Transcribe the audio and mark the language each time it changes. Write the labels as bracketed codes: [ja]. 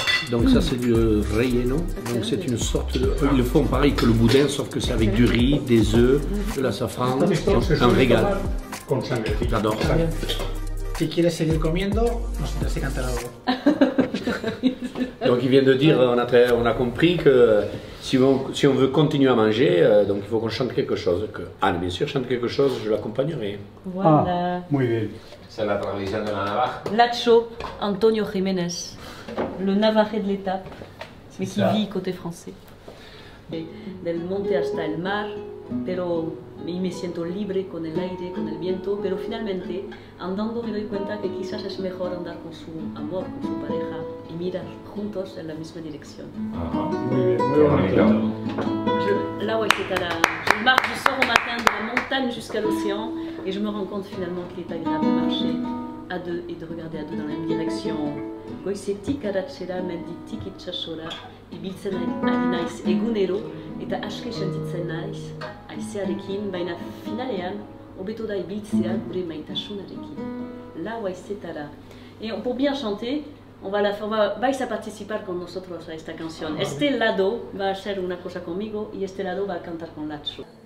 [fr] Donc ça c'est du relleno, donc c'est une sorte de... Ils le font pareil que le boudin, sauf que c'est avec du riz, des œufs, de la safran, donc un régal. J'adore. [es] Si quieres seguir comiendo, nos tendrás que cantar algo. [fr] Donc il vient de dire, on a compris que si on veut continuer à manger, donc il faut qu'on chante quelque chose. Que Anne, bien sûr, chante quelque chose, je l'accompagnerai. Voilà. Ah, [es] muy bien. [fr] C'est la tradition de la Navarre. Lacho Antonio Jiménez, le Navarrais de l'étape, mais qui vit côté français. [es] Del monte hasta el mar, pero y me siento libre con el aire, con el viento, pero finalmente andando me doy cuenta que quizás es mejor andar con su amor, con su pareja y mirar juntos en la misma dirección. Muy bien, muy bonito. [fr] Je sors au matin de la montagne jusqu'à l'océan et je me rends compte finalement qu'il est agréable de marcher à deux et de regarder à deux dans la même direction. [eu] Goizetik aratzera menditik itsasora ibiltzen ari naiz egunero eta aske sentitzen naiz haizearekin, baina finalean hobeto da ibiltzea gure maitasunarekin. Lau haizetara. [fr] Et pour bien chanter, [es] vais a participar con nosotros a esta canción. Este lado va a hacer una cosa conmigo y este lado va a cantar con Lacho.